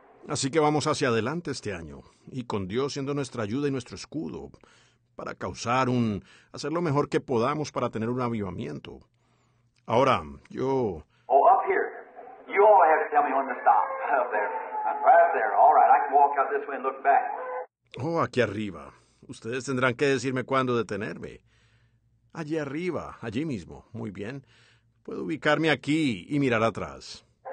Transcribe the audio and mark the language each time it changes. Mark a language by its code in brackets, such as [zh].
[es] Así que vamos hacia adelante este año y con Dios siendo nuestra ayuda y nuestro escudo. Para causar un, hacer lo mejor que podamos para tener un avivamiento. Ahora, yo. [en] Oh, up here. You all have to tell me when to stop. Up there. I'm right up there. All right, I can walk out this way and look back. [es] Oh, aquí arriba. Ustedes tendrán que decirme cuándo detenerme. Allí arriba, allí mismo. Muy bien. Puedo ubicarme aquí y mirar atrás.